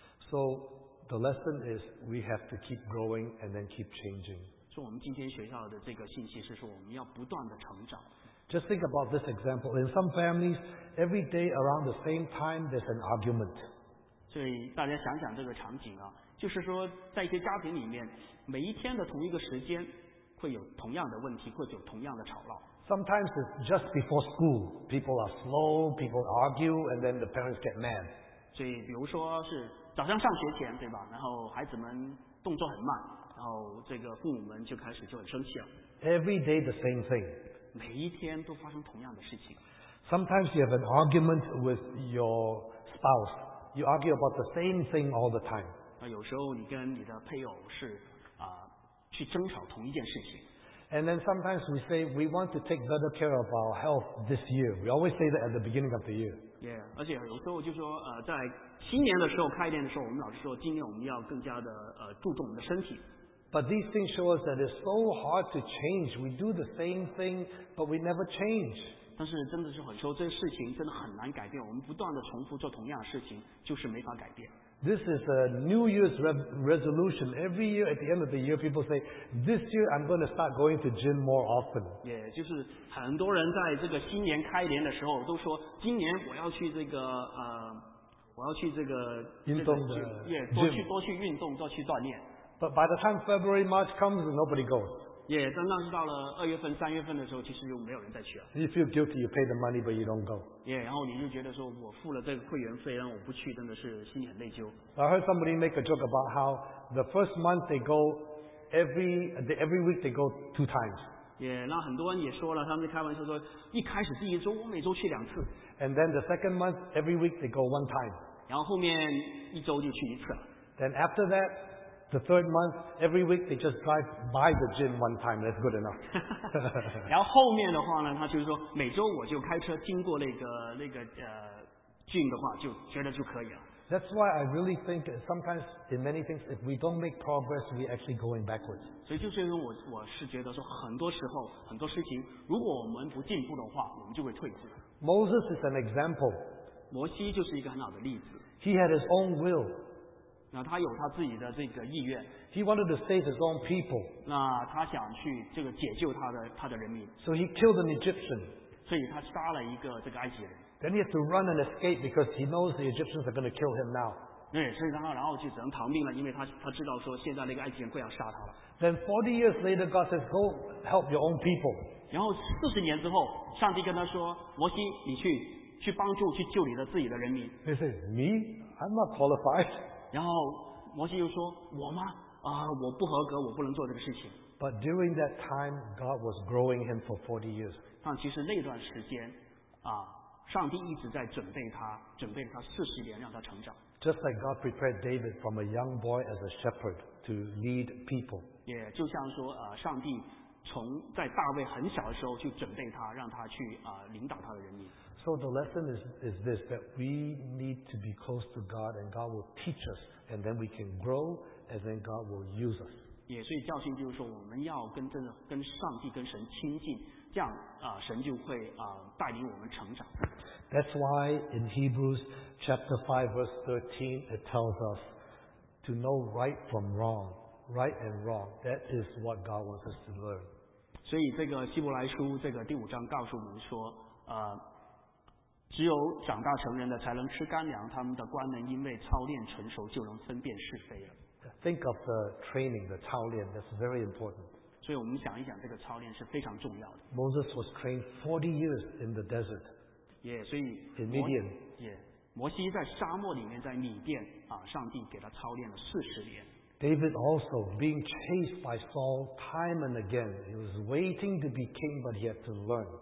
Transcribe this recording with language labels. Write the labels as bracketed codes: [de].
[en] So the lesson is we have to keep growing and then keep changing. [zh] 所以我们今天学校的这个信息是说我们要不断的成长。 [en] Just think about this example. In some families, every day around the same time, there's an argument. [zh] 所以大家想想这个场景啊，就是说在一些家庭里面，每一天的同一个时间会有同样的问题，会有同样的吵闹。 [en] Sometimes it's just before school. People are slow, people argue, and then the parents get mad. [zh] 所以比如说是早上上学前，对吧？然后孩子们动作很慢，然后这个父母们就开始就很生气了。 [en] Every day the same thing. [zh] 每一天都发生同样的事情。 [en] Sometimes you have an argument with your spouse. You argue about the same thing all the time. [zh] 那有时候你跟你的配偶是去争吵同一件事情。 [en] And then sometimes we say we want to take better care of our health this year. We always say that at the beginning of the year. [zh] Yeah, 而且有时候就说在新年的时候开店的时候，我们老是说今年我们要更加的注重我们的身体。 [en] But these things show us that it's so hard to change. We do the same thing, but we never change. [zh] 但是真的是很说这事情真的很难改变。我们不断的重复做同样的事情，就是没法改变。 [en] This is a New Year's resolution. Every year at the end of the year, people say, this year I'm going to start going to gym more often. [zh] Yeah, 就是很多人在这个新年开年的时候都说，今年我要去这个我要去这个运动的多去运动，多去锻炼。 [en] But by the time February, March comes, nobody goes. [zh] Yeah, 但当时到了二月份、三月份的时候，其实就没有人再去了。 [en] You feel guilty, you pay the money, but you don't go. [zh] Yeah, 然后你就觉得说，我付了这个会员费，然后我不去，真的是心里很内疚。 [en] I heard somebody make a joke about how the first month they go every week they go two times. [zh] Yeah, 那很多人也说了，他们开玩笑说，一开始第一周我每周去两次。 [en] And then the second month every week they go one time. [zh] 然后后面一周就去一次了。 [en] Then after that. The third month, every week, they just drive by the gym one time. That's good enough. [zh] 然后后面的话呢，他就是说，每周我就开车经过那个gym的话，就觉得就可以了。 [en] That's why I really think sometimes in many things, if we don't make progress, we actually going backwards. [zh] 所以就是因为我是觉得说，很多时候很多事情，如果我们不进步的话，我们就会退步。 [en] Moses is an example. [zh] 摩西就是一个很好的例子。 [en] He had his own will. [zh] 那他有他自己的这个意愿。 [en] He wanted to save his own people. [zh] 那他想去这个解救他的人民。 [en] So he killed an Egyptian. [zh] 所以他杀了一个这个埃及人。 [en] Then he had to run and escape because he knows the Egyptians are going to kill him now. [zh] 对，所以然后就只能逃命了，因为他知道说现在那个埃及人快要杀他了。 [en] Then 40 years later, God says, "Go help your own people." [zh] 然后四十年之后，上帝跟他说：“摩西，你去帮助去救你的自己的人民。 [en] ”He says, "Me? I'm not qualified." [zh] 然后摩西又说我吗啊，我不合格，我不能做这个事情。 [en] But during that time God was growing him for 40 years. [zh] 但其实那段时间啊，上帝一直在准备他40年让他成长。 [en] Just like God prepared David from a young boy as a shepherd to lead people. [zh] 也就像说上帝从在大卫很小的时候就准备他让他去领导他的人民。 [en] So the lesson is this, that we need to be close to God and God will teach us and then we can grow and then God will use us. [zh] 也所以教训就是说我们要跟上帝跟神亲近，这样神就会带领我们成长。 [en] That's why in Hebrews chapter 5 verse 13 it tells us to know right from wrong, right and wrong. That is what God wants us to learn. [zh] 所以这个希伯来书这个第五章告诉我们说只有长大成人的才能吃干粮，他们的官能因为操练成熟，就能分辨是非了。 [en] Think of the training, the 操练, that's very important. [zh] 所以我们想一想，这个操练是非常重要的。 [en] Moses was trained 40 years in the desert. [zh] Yeah, 所以 [en] in Midian. [zh] Yeah, 摩西在沙漠里面，在米甸啊，上帝给他操练了40年。 [en] David also being chased by Saul time and again. He was waiting to be king, but he had to learn.